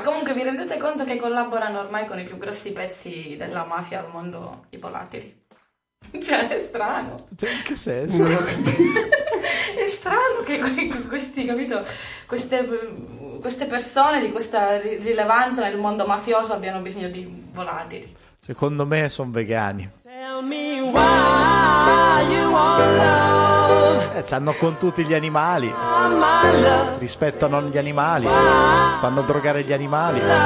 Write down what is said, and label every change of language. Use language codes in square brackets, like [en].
[it] Comunque vi rendete conto che collaborano ormai con i più grossi pezzi della mafia al mondo, i volatili. Cioè, è strano. Cioè, in che senso? È strano che questi, capito, queste persone di questa rilevanza nel mondo mafioso abbiano bisogno di volatili. Secondo me sono vegani. [en] Tell me why you want love. [it] C'hanno con tutti gli animali. Rispettano gli animali. Fanno drogare gli animali.